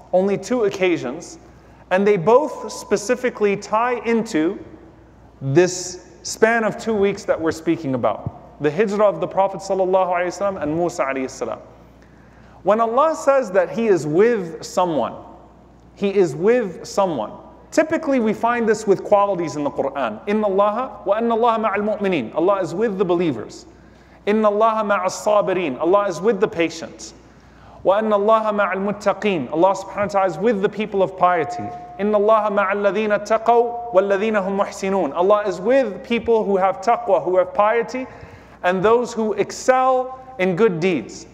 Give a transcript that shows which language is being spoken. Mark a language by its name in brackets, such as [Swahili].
[English] Only two occasions. And they both specifically tie into this span of 2 weeks that we're speaking about. The hijrah of the Prophet sallallahu alaihi wasallam and Musa alayhi salam. When Allah says that He is with someone, He is with someone. Typically we find this with qualities in the Qur'an. [Arabic] إِنَّ اللَّهَ وَأَنَّ اللَّهَ مَعَ الْمُؤْمِنِينَ [English] Allah is with the believers. [Arabic] إِنَّ اللَّهَ مَعَ الصَّابِرِينَ [English] Allah is with the patients. [Arabic] وَأَنَّ اللَّهَ مَعَ الْمُتَّقِينَ [English] Allah subhanahu wa ta'ala is with the people of piety. [Arabic] إِنَّ اللَّهَ مَعَ الَّذِينَ تَقَوْا وَالَّذِينَ هُمْ مُحْسِنُونَ [English] Allah is with people who have taqwa, who have piety, and those who excel in good deeds.